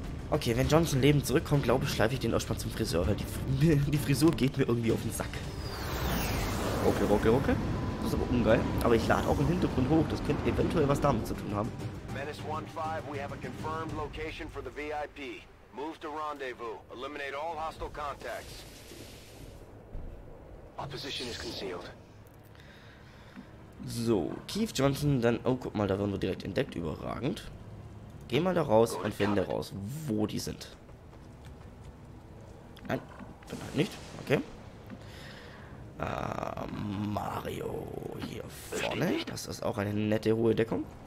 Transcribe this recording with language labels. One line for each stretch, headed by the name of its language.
German: Okay, wenn Johnson lebend zurückkommt, glaube ich, schleife ich den Ausspann zum Friseur. Die Frisur geht mir irgendwie auf den Sack. Okay. Das ist aber ungeil. Aber ich lade auch im Hintergrund hoch. Das könnte eventuell was damit zu tun haben.
English: Menace 1-5, we have a confirmed location for the VIP. Move to rendezvous. Eliminate all hostile contacts. Opposition is concealed.
German: So, Keith Johnson, dann, oh, guck mal, da werden wir direkt entdeckt, überragend. Geh mal da raus und finde raus, wo die sind. Nein, vielleicht nicht, okay. Mario hier vorne, das ist auch eine nette, hohe Deckung.